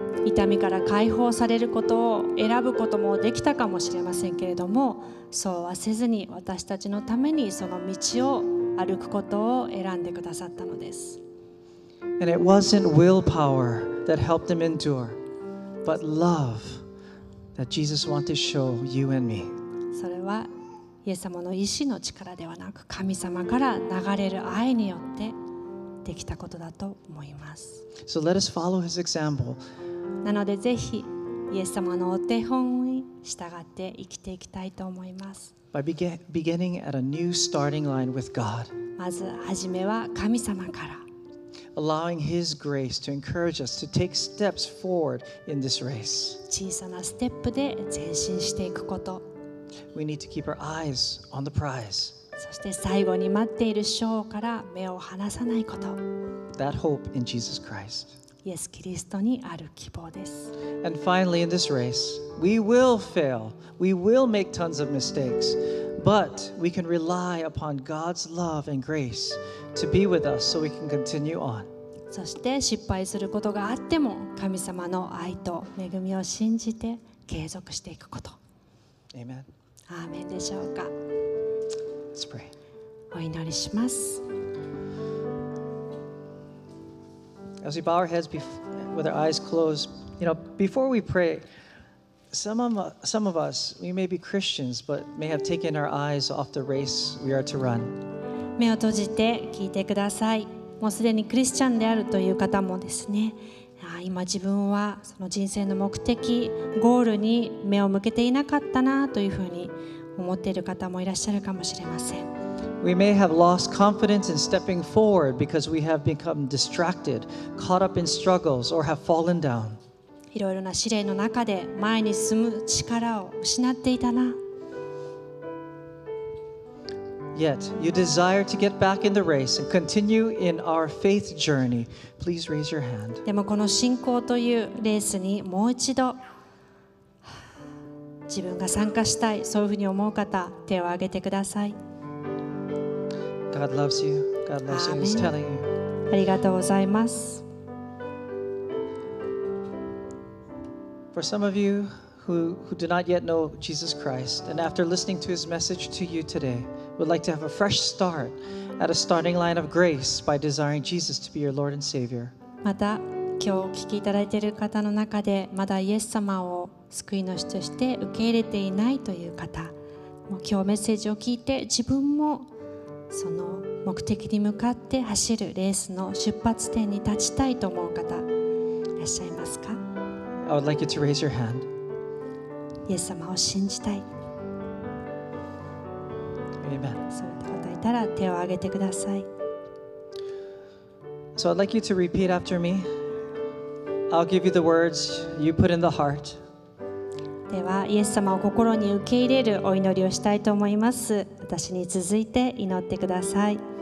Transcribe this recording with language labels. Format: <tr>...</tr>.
<ja>痛みから解放されることを選ぶこともできたかもしれませんけれども、そうはせずに私たちのためにその道を歩くことを選んでくださったのです。</ja> <en>And it wasn't willpower that helped him endure, but love that Jesus wanted to show you and me.</en> <ja>それはイエス様の意志の力ではなく、神様から流れる愛によって。できたことだと思います。</ja> <en>So let us follow his example.</en> <ja>なのでぜひイエス様のお手本に従って生きていきたいと思います。</ja> <en>By beginning at a new starting line with God.</en> <ja>まず初めは神様から。</ja> <en>Allowing his grace to encourage us to take steps forward in this race.</en> <ja>小さなステップで前進していくこと。</ja> <en>We need to keep our eyes on the prize.</en> <ja>そして最後に待っている章から目を離さないこと。</ja> <en>That hope in Jesus Christ.</en> <ja>イエス・キリストにある希望です。</ja> <en>And finally, in this race, we will fail. We will make tons of mistakes. But we can rely upon God's love and grace to be with us so we can continue on.</en> <ja>そして失敗することがあっても、神様の愛と恵みを信じて継続していくこと。</ja> <en>Amen.</en> <ja>アーメンでしょうか。</ja> <en>Let's pray.</en> <ja>お祈りします。</ja> <en>As we bow our heads with our eyes closed, you know, before we pray, some of us, we may be Christians, but may have taken our eyes off the race we are to run.</en> <ja>目を閉じて聞いてください。もうすでにクリスチャンであるという方もですね、今自分はその人生の目的ゴールに目を向けていなかったなというふうに思っている方もいらっしゃるかもしれません。</ja> <en>We may have lost confidence in stepping forward because we have become distracted, caught up in struggles, or have fallen down.</en> <ja>いろいろな試練の中で前に進む力を失っていたな。</ja> <en>Yet, you desire to get back in the race and continue in our faith journey. Please raise your hand.</en> <ja>でもこの信仰というレースにもう一度自分が参加したい、そういうふうに思う方、手を挙げてください。</ja> <en>God loves you. God loves you. He's telling you.</en> <ja>ありがとうございます。</ja> <en>For some of you who do not yet know Jesus Christ, and after listening to his message to you today, would like to have a fresh start at a starting line of grace by desiring Jesus to be your Lord and Savior.</en> <ja>また今日お聞きいただいている方の中で、まだイエス様を救い主として受け入れていないという方、もう今日メッセージを聞いて自分もその目的に向かって走るレースの出発点に立ちたいと思う方、いらっしゃいますか？</ja> <en>I would like you to raise your hand.</en> <ja>イエス様を信じたい。</ja> <en>Amen.</en> <ja>そういった方いたら手を挙げてください。</ja> <en>So I'd like you to repeat after me. I'll give you the words you put in the heart.</en> <ja>ではイエス様を心に受け入れるお祈りをしたいと思います。私に続いて祈ってください。</ja>